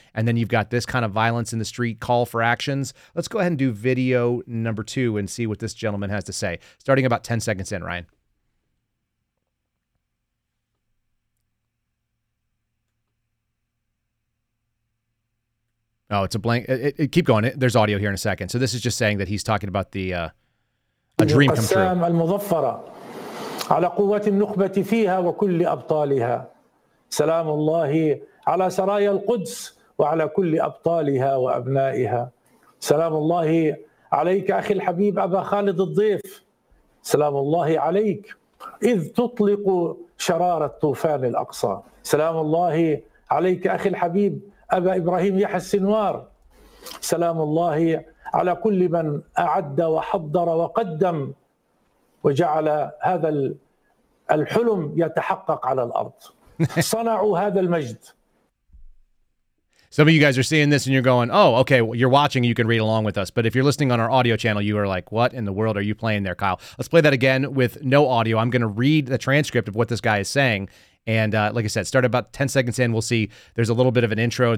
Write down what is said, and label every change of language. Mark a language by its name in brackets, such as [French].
[English] And then you've got this kind of violence in the street, call for actions. Let's go ahead and do video number two and see what this gentleman has to say. Starting about 10 seconds in, Ryan. Oh, it's a blank. Keep going. There's audio here in a second. So this is just saying that he's talking about the a dream come true. [Arabic] القسام المظفرة على قوات النخبة فيها وكل أبطالها. سلام الله على سرايا القدس وعلى كل أبطالها وأبنائها. سلام الله عليك أخي الحبيب أبا خالد الضيف. سلام الله عليك إذ تطلق شرارة طوفان الأقصى. سلام الله عليك أخي الحبيب أبا إبراهيم يحيى السنوار سلام الله على كل من أعد وحضر وقدم وجعل هذا الحلم يتحقق على الأرض صنعوا هذا المجد. [English] Some of you guys are seeing this and you're going, oh, okay, well, you're watching, you can read along with us. But if you're listening on our audio channel, you are like, what in the world are you playing there, Kyle? Let's play that again with no audio. I'm going to read the transcript of what this guy is saying. And like I said, start about 10 seconds in, we'll see. There's a little bit of an intro.